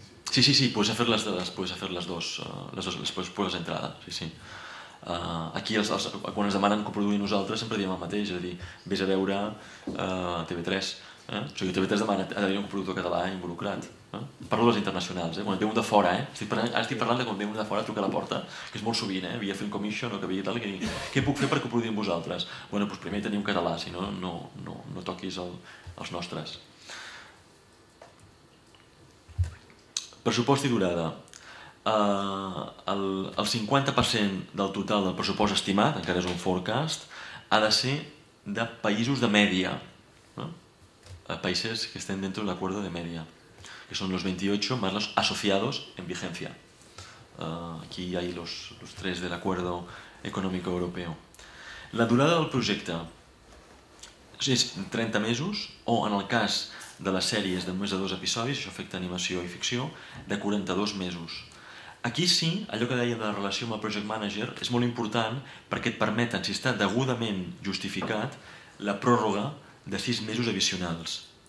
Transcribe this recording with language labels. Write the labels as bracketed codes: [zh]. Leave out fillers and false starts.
[es] Sí, sí, sí, puedes hacer las dos entradas, sí, sí. [ca] Aquí, quan es demanen que ho produïm nosaltres, sempre diem el mateix, és a dir, vés a veure TV3. O sigui, TV3 demana que hi ha un productor català involucrat. Parlo de les internacionals, quan ve un de fora, ara estic parlant de quan ve un de fora a trucar a la porta, que és molt sovint, havia fet un commission o que havia tal, i dic, què puc fer perquè ho produïm vosaltres? Bé, doncs primer tenir un català, si no toquis els nostres. Pressupost i durada. El 50% del total del pressupost estimat, encara és un forecast, ha de ser de països de media. Països que estan dintre de l'acord de media. [es] que son los 28 más los asociados en vigencia. Aquí hay los tres del Acuerdo Económico Europeo. [ca] La durada del projecte és 30 mesos o, en el cas de les sèries de més de 2 episodis, això afecta animació i ficció, de 42 mesos. Aquí sí, allò que deia de la relació amb el project manager és molt important perquè et permeten, si està degudament justificat, la pròrroga de 6 mesos addicionals.